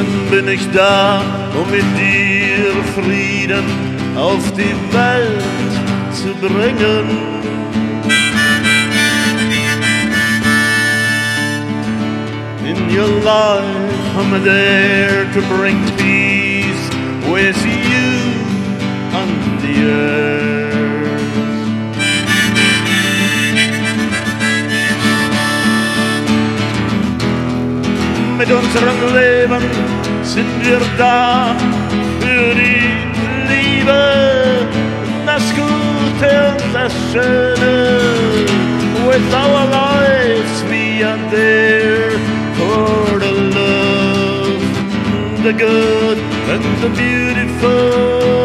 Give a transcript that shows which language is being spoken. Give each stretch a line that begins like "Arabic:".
German: Bin ich da, um mit dir Frieden auf die Welt zu bringen.
English: In your life I'm there to bring peace with you on the earth.
German: Mit unserem Leben sind wir da für die Liebe, das Gute und das Schöne.
English: With our lives we are there for the love, the good and the beautiful.